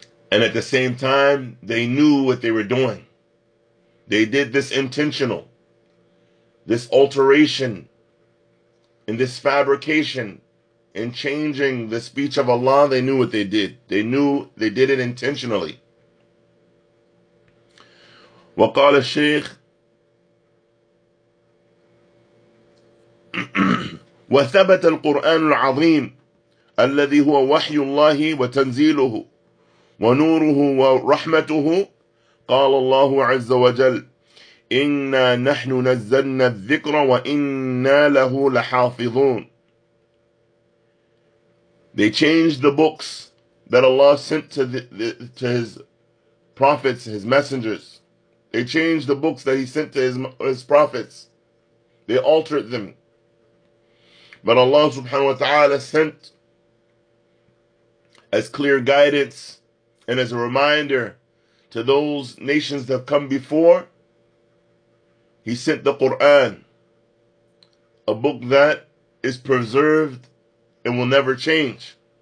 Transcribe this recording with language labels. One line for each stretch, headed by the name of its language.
English: And at the same time, they knew what they were doing. They did this intentional, this alteration, and this fabrication, and changing the speech of Allah. They knew what they did. They knew they did it intentionally.
Arabic: وقال الشيخ وثبت القرآن العظيم الذي هو وحي الله وتنزيله ونوره ورحمته قال الله عز وجل إنا نحن نزلنا الذكر وإنا له لحافظون.
English: They changed the books that Allah sent to His prophets, His messengers. They changed the books that He sent to His prophets. They altered them. But Allah subhanahu wa ta'ala sent as clear guidance and as a reminder to those nations that have come before, He sent the Qur'an, a book that is preserved and will never change.